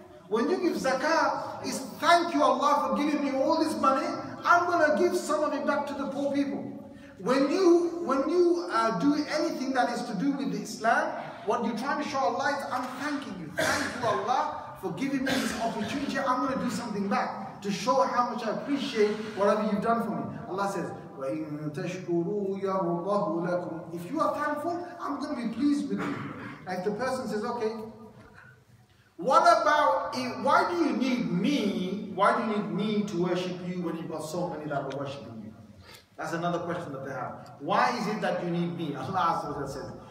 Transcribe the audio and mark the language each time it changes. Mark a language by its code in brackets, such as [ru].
[en] When you give zakah, it's thank you Allah for giving me all this money, I'm going to give some of it back to the poor people. When you do anything that is to do with the Islam, what you're trying to show Allah is, I'm thanking you. Thank you Allah for giving me this opportunity, I'm going to do something back to show how much I appreciate whatever you've done for me. Allah says, [ar] وَإِن تَشْكُرُوا يَرْضَهُ لَكُمْ. [en] If you are thankful, I'm going to be pleased with you. Like the person says, okay, what about, why do you need me, why do you need me to worship you when you've got so many that are worshiping you? That's another question that they have. Why is it that you need me? Allah asks what that says.